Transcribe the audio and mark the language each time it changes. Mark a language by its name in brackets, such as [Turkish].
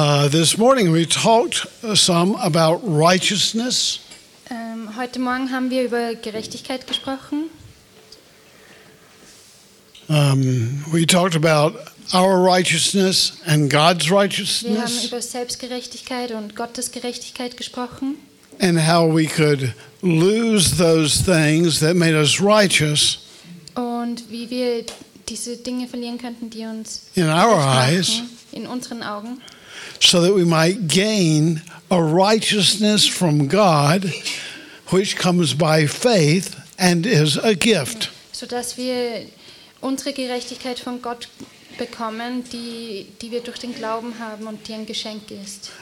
[English] This morning we talked some about righteousness. [German] Heute Morgen haben wir über Gerechtigkeit gesprochen. [English] We talked about our righteousness and God's righteousness. [German] Wir haben über Selbstgerechtigkeit und Gottes Gerechtigkeit gesprochen. [English] And how we could lose those things that made us righteous. [German] Und wie wir diese Dinge verlieren könnten, die uns [English] in our eyes, [German] in unseren Augen, [English] so that we might gain a righteousness from God, which comes by faith and is a gift. [German] So dass wir unsere Gerechtigkeit von Gott bekommen, die wir durch den Glauben haben und die ein Geschenk ist.